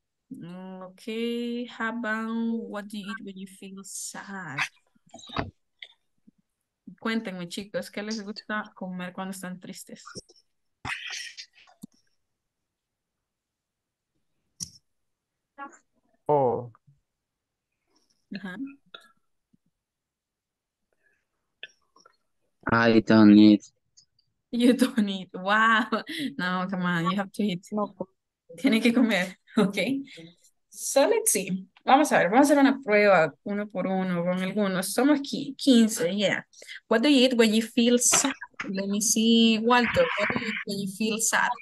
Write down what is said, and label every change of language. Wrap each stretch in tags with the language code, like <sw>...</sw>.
<en>Okay, how about what do you eat when you feel sad?</en> <es>Cuéntenme, chicos, ¿qué les gusta comer cuando están tristes? Oh. Uh-huh.</es> <en>I don't eat. You don't eat. Wow. No, come on. You have to eat. No.</en> <es>Tiene que comer. Okay.</es> <en>So let's see.</en> <es>Vamos a ver. Vamos a hacer una prueba uno por uno con algunos. Somos 15. Yeah.</es> <en>What do you eat when you feel sad? Let me see, Walter. What do you eat when you feel sad?</en>